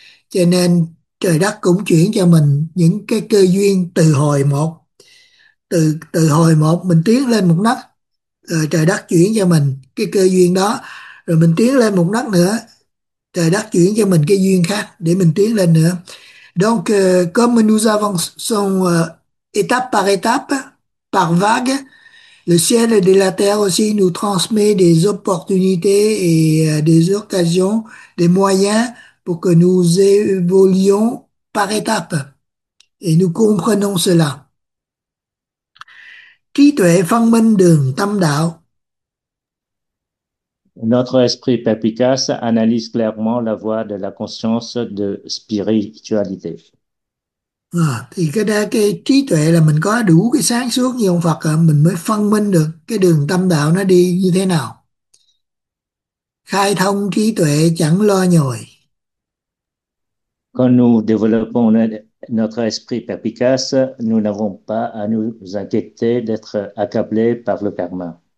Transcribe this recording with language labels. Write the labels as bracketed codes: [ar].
[vi] Cho nên trời đất cũng chuyển cho mình những cái cơ duyên từ hồi một, từ từ hồi một mình tiến lên một nấc, rồi trời đất chuyển cho mình cái cơ duyên đó, rồi mình tiến lên một nấc nữa, trời đất chuyển cho mình cái duyên khác để mình tiến lên nữa. [fr] Donc, comme nous avançons étape par étape, par vague, le ciel et la terre aussi nous transmet des opportunités et des occasions, des moyens pour que nous évoluions par étape. Et nous comprenons cela. [vi] Trí tuệ phân minh đường tâm đạo. [fr] Notre esprit perspicace analyse clairement la voie de la conscience de spiritualité. [vi] À, thì cái trí tuệ là mình có đủ cái sáng suốt như ông Phật à, mình mới phân minh được cái đường tâm đạo nó đi như thế nào. Khai thông trí tuệ chẳng lo nhồi. [fr] Quand nous développons notre esprit perspicace, nous n'avons pas à nous inquiéter d'être accablés par le karma.